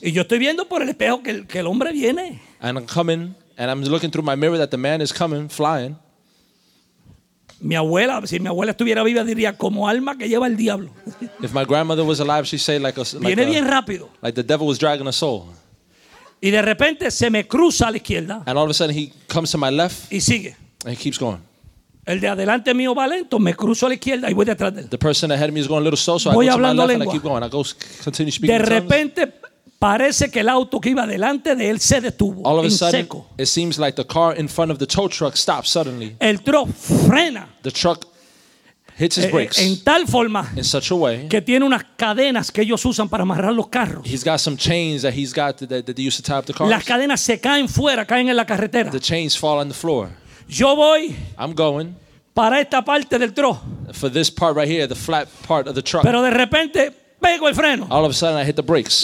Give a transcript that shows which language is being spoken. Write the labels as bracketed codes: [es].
[es] Y yo estoy viendo por el espejo que el hombre viene. [en] And I'm coming, and I'm looking through my mirror that the man is coming, flying. [es] Mi abuela, si mi abuela estuviera viva, diría como alma que lleva el diablo. [en] If my grandmother was alive, she'd say like a, like [es] viene a, bien rápido. [en] Like the devil was dragging a soul. [es] Y de repente se me cruza a la izquierda. [en] And all of a sudden he comes to my left. [es] Y sigue. [en] And he keeps going. [es] El de adelante mío va lento, me cruzo a la izquierda y voy detrás de él. [en] The person ahead of me is going a little slow, so [es] voy [en] I go to my left [es] lengua. [en] And I keep going. I go continue speaking. [es] De repente parece que el auto que iba delante de él se detuvo. [en] All of a sudden, [es] seco. [en] It seems like the car in front of the tow truck stops suddenly. [es] El truck frena. [en] The truck hits his brakes. [es] En tal forma. [en] In such a way. [es] Que tiene unas cadenas que ellos usan para amarrar los carros. [en] He's got some chains that he's got that they use to tie up the cars. [es] Las cadenas se caen fuera, caen en la carretera. [en] The chains fall on the floor. [es] Yo voy. [en] I'm going. [es] Para esta parte del truck. [en] For this part right here, the flat part of the truck. [es] Pero de repente. Pego el freno. [en] All of a sudden I hit the brakes.